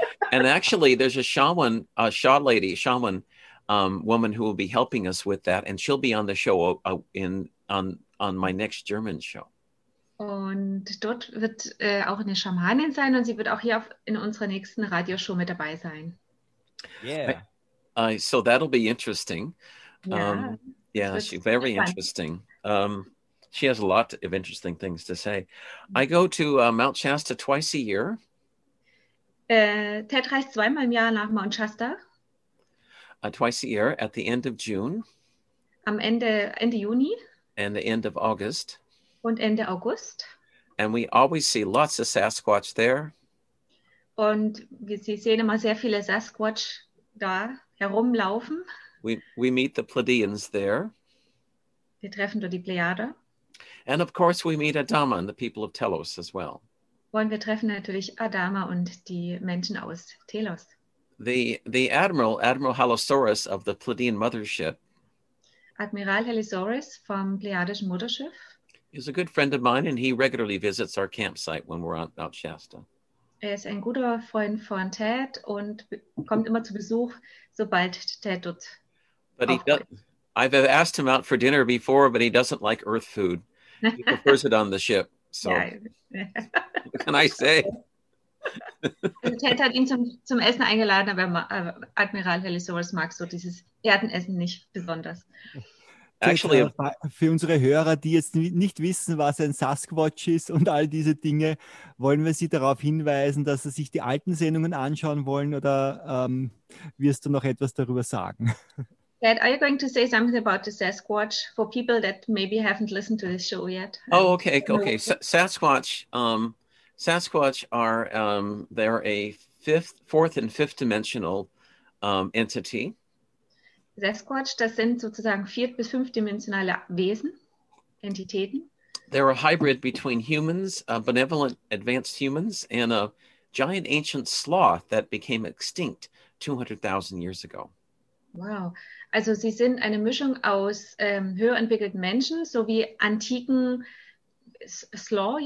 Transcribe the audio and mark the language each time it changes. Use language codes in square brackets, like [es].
[en] And actually, there's a shaman woman who will be helping us with that, and she'll be on the show on my next German show. [de] Und dort wird auch eine Schamanin sein, und sie wird auch hier in unserer nächsten Radioshow mit dabei sein. [en] Yeah. So that'll be interesting. Yeah. Yeah, she's very interesting. She has a lot of interesting things to say. I go to Mount Shasta twice a year. [de] Ted reist zweimal im Jahr nach Mount Shasta. [en] Twice a year at the end of June. [de] Am Ende Juni. [en] And the end of August. [de] Und Ende August. [en] And we always see lots of Sasquatch there. [de] Und Sie sehen immer sehr viele Sasquatch da herumlaufen. [en] We meet the Pleiadians there. [de] Wir treffen dort die Plejader. [en] And of course we meet Adama and the people of Telos as well. [de] Und wir treffen natürlich Adama und die Menschen aus Telos. [en] The Admiral Halosaurus of the Pleiadian mothership. [de] Admiral Halosaurus vom Pleiadischen Mutterschiff. [en] Is a good friend of mine and he regularly visits our campsite when we're on Mount Shasta. [de] Er ist ein guter Freund von Ted und kommt immer zu Besuch, sobald Ted dort. [en] But I've asked him out for dinner before, but he doesn't like earth food. He prefers it on the ship. So yeah. What can I say? [de] Ted hat ihn zum Essen eingeladen, aber Admiral Halosaurus mag so dieses Erdenessen nicht besonders. Actually, für unsere Hörer, die jetzt nicht wissen, was ein Sasquatch ist und all diese Dinge, wollen wir sie darauf hinweisen, dass sie sich die alten Sendungen anschauen wollen oder wirst du noch etwas darüber sagen? [en] Dad, are you going to say something about the Sasquatch for people that maybe haven't listened to this show yet? Oh, okay. Sasquatch, Sasquatch are, they're a fourth and fifth dimensional entity. [de] Sasquatch, das sind sozusagen vier- bis fünfdimensionale Wesen, Entitäten. [en] They're a hybrid between humans, benevolent advanced humans, and a giant ancient sloth that became extinct 200,000 years ago. Wow. [de] Also sie sind eine Mischung aus höher entwickelten Menschen sowie antiken Sloth.